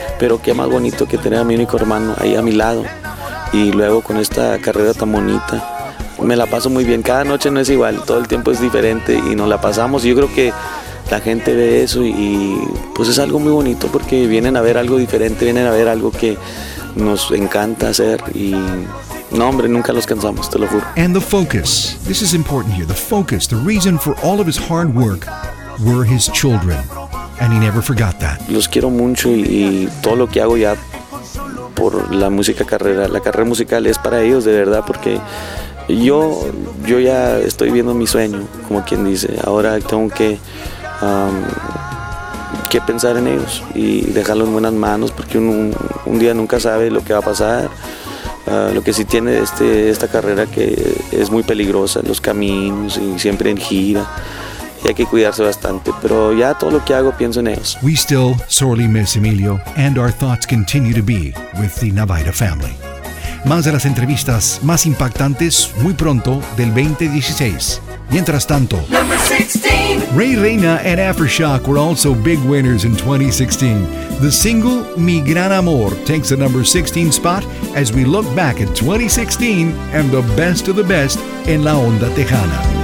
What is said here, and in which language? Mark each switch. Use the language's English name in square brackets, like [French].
[Spanish] Pero qué más bonito que tener a mi único hermano ahí a mi lado. Y luego con esta carrera tan bonita, me la paso muy bien. Cada noche no es igual, todo el tiempo es diferente y nos la pasamos. Y yo creo que la gente ve eso y pues es algo muy bonito porque vienen a ver algo diferente, vienen a ver algo que nos encanta hacer y... No, hombre, nunca los cansamos, te lo juro. [English] And the focus. This is important here. The focus, the reason for all of his hard work were his children. And he never forgot that. [Spanish] Los quiero mucho y todo lo que hago ya por la música carrera, la carrera musical es para ellos de verdad porque yo ya estoy viendo mi sueño, como quien dice. Ahora tengo que pensar en ellos y dejarlo en buenas manos porque un día nunca sabe lo que va a pasar. Lo que sí tiene esta carrera que es muy peligrosa, los caminos y siempre en gira, y hay que cuidarse bastante, pero ya todo lo que hago pienso en ellos. [English] We still sorely miss Emilio, and our thoughts continue to be with the Navaida family. [Spanish] Más de las entrevistas más impactantes muy pronto del 2016. Mientras tanto, [English] Number 16. Ray Reyna and Aftershock were also big winners in 2016. The single Mi Gran Amor takes the number 16 spot as we look back at 2016 and the best of the best in La Onda Tejana.